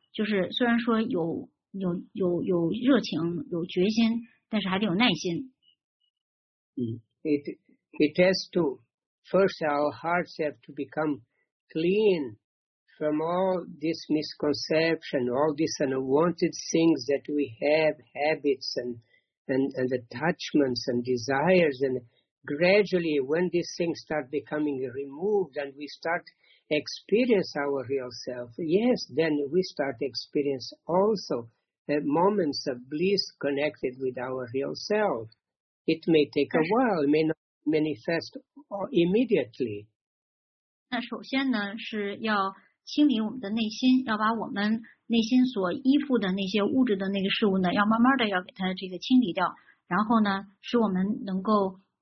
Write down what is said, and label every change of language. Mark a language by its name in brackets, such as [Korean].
[Chinese] 就是虽然说有热情有决心，但是还得有耐心。 [English] 嗯 ，it has to first our hearts have to become clean from all this misconception, all these unwanted things that we have, habits and attachments and desires and. Gradually, when these things start becoming removed and we start experience our real self, yes, then we start experience also the moments of bliss connected with our real self. It may take a while, may not manifest immediately. [Chinese] 那首先呢，是要清理我们的内心，要把我们内心所依附的那些物质的那个事物呢，要慢慢的要给它这个清理掉，然后呢，使我们能够。